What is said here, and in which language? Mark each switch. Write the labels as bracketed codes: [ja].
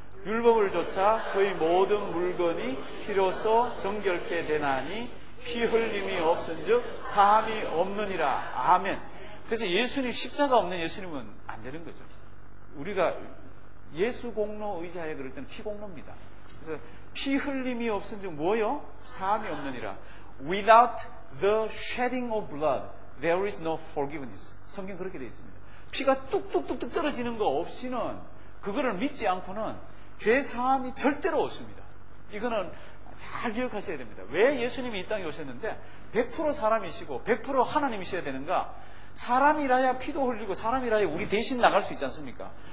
[ko] 율법을 조차 거의 모든 물건이 피로써 정결케 되나니 피 흘림이 없은 즉 사함이 없느니라. 아멘. 그래서 예수님 십자가 없는 예수님은 안 되는 거죠. 우리가 예수 공로 의지하여 그럴 때는 피 공로입니다. 그래서 피 흘림이 없은 즉 뭐요? 사함이 없느니라. [en] Without the shedding of blood. There is no forgiveness. [ko] 성경 그렇게 되어 있습니다. 피가 뚝뚝뚝뚝 떨어지는 거 없이는 그거를 믿지 않고는 죄사함이 절대로 없습니다. 이거는 잘 기억하셔야 됩니다. 왜 예수님이 이 땅에 오셨는데 100% 사람이시고 100% 하나님이셔야 되는가? 사람이라야 피도 흘리고 사람이라야 우리 대신 나갈 수 있지 않습니까?